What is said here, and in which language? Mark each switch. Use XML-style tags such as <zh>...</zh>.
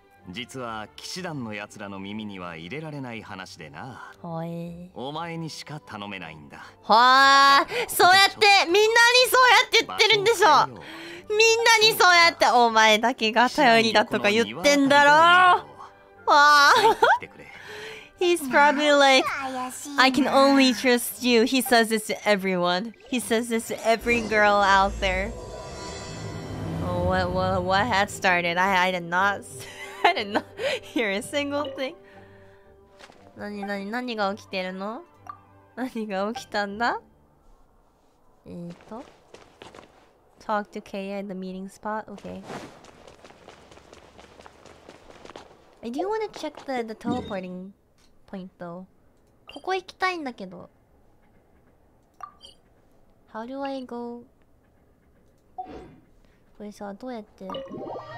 <ja>実は騎士団の奴らの耳には入れられない話でな。はい。お前にしか頼めないんだ。はあ、そうやってみんなにそうやって言ってるんでしょ。みんなにそうやってお前だけが頼りだとか言ってんだろわあ。</ja> <en>He's probably like, I can only trust you. He says this to everyone. He says this to every girl out there. Oh, what had started? I did not. I did not hear a single thing.</en> <ja>何が起きてるの？何が起きたんだ？</ja> <en>Talk to Kaya in the meeting spot. Okay. I do want to check the teleporting point though.</en> <ja>ここ行きたいんだけど。</ja> <en>How do I go?</en> <ja>これさ、どうやって行くんだ？</ja>